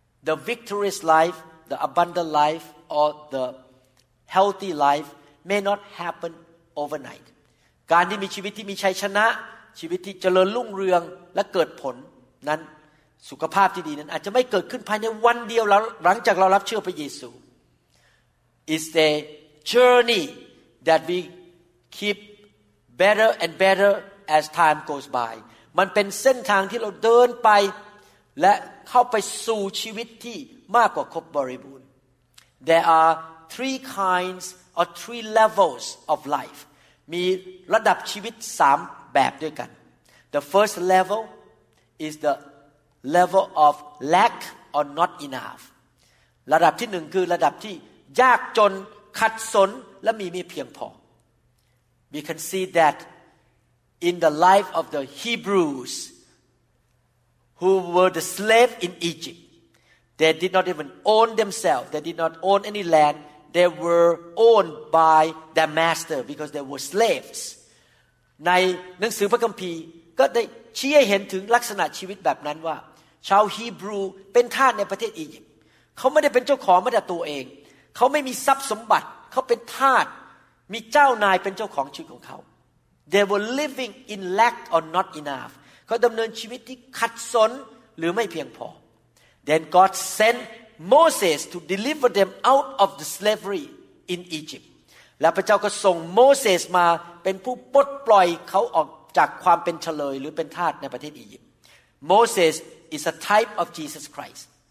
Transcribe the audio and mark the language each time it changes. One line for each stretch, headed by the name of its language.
English: The victorious life, the abundant life, or thehealthy life may not happen overnight
Thai: การที่มีชีวิตที่มีชัยชนะชีวิตที่เจริญรุ่งเรืองและเกิดผลนั้นสุขภาพที่ดีนั้นอาจจะไม่เกิดขึ้นภายในวันเดียวแล้วหลังจากเรารับเชื่อพระเยซู
English: is a journey that we keep better and better as time goes by
Thai: มันเป็นเส้นทางที่เราเดินไปและเข้าไปสู่ชีวิตที่มากกว่าครบบริบูรณ์
English: there areThree kinds or three levels of life.
Thai: มีระดับชีวิต3แบบด้วยกัน.
English: The first level is the level of lack or not enough.
Thai: ระดับที่1คือระดับที่ยากจนขัดสนและมีไม่เพียงพ
English: อ. We can see that in the life of the Hebrews who were the slaves in Egypt. They did not even own themselves. They did not own any land. They were owned by their master because they were slaves.
Thai: ในหนังสือพระคัมภีร์ก็ได้ชี้ให้เห็นถึงลักษณะชีวิตแบบนั้นว่าชาวฮีบรูเป็นทาสในประเทศอียิปต์เขาไม่ได้เป็นเจ้าของแม้แต่ตัวเอง ขาไม่มีทรัพย์สมบัติเขาเป็นทาสมีเจ้านายเป็นเจ้าของชีวิตของเขา
English: They were living in lack or not enough
Thai: เขาดำเนินชีวิตที่ขัดสนหรือไม่เพียงพอ
English: Then God sent Moses to deliver them out of the slavery in Egypt
Thai: และพระเจ้าก็ส่งโมเสสมาเป็นผู้ปลดปล่อยเขาออกจากความเป็นเชลยหรือเป็นทาสในประเทศอียิปต์
English: Moses is a type of Jesus Christ